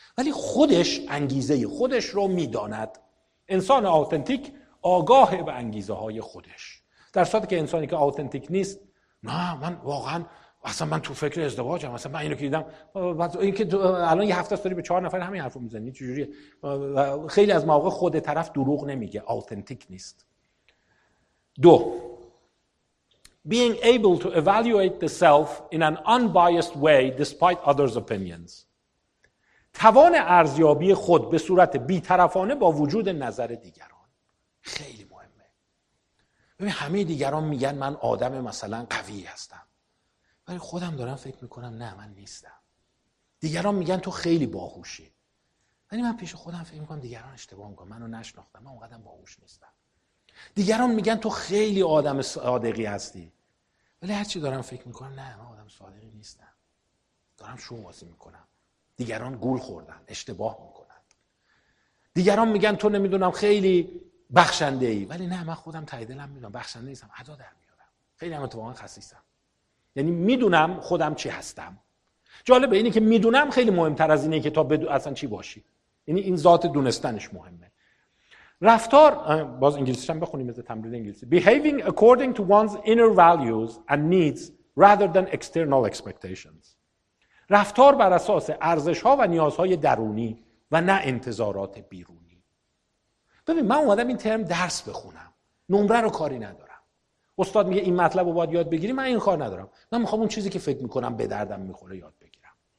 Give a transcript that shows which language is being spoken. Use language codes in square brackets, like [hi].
[fa] ولی خودش انگیزه خودش رو میداند. انسان آتنتیک آگاه به انگیزه های خودش. در صورتی که انسانی که آتنتیک نیست، نه من واقعا اصلا من تو فکر ازدواجم، اصلا من اینو که دیدم این که الان یه هفته است داری به چهار نفر همین حرفو میزنی چجوریه. خیلی از مواقع خود طرف دروغ نمیگه، آتنتیک نیست. دو، [en] being able to evaluate the self in an unbiased way despite others' opinions. [fa] توان ارزیابی خود به صورت بی‌طرفانه با وجود نظر دیگران خیلی مهمه. ببین همه دیگران میگن من آدم مثلا قوی هستم، ولی خودم دارم فکر میکنم نه من نیستم. دیگران میگن تو خیلی باهوشی، ولی من پیش خودم فکر میکنم دیگران اشتباه میکنم، منو نشناختم، من اونقدر باهوش نیستم. دیگران میگن تو خیلی آدم صادقی هستی، ولی هرچی دارم فکر میکنم نه من آدم صادقی نیستم، دارم شوم بازی میکنم، دیگران گول خوردن، اشتباه میکنن. دیگران میگن تو نمیدونم خیلی بخشنده ای، ولی نه من خودم ته دلم میدونم بخشنده نیستم، ادا در میارم، خیلی هم اتفاقا خسیسم. یعنی میدونم خودم چی هستم. جالبه اینه که میدونم خیلی مهمتر از اینه که تو اصلا چی باشی. یعنی این ذات دونستنش مهمه. رفتار، باز انگلیسیش هم بخونیم از تمرین انگلیسی، [en] behaving according to one's inner values and needs rather than external expectations. [fa] رفتار بر اساس ارزش‌ها و نیازهای درونی و نه انتظارات بیرونی. ببین من اومدم این ترم درس بخونم، نمره رو کاری ندارم، استاد میگه این مطلب رو باید یاد بگیری، من این کار ندارم، من میخوام اون چیزی که فکر میکنم به دردم میخوره یاد بگیرم.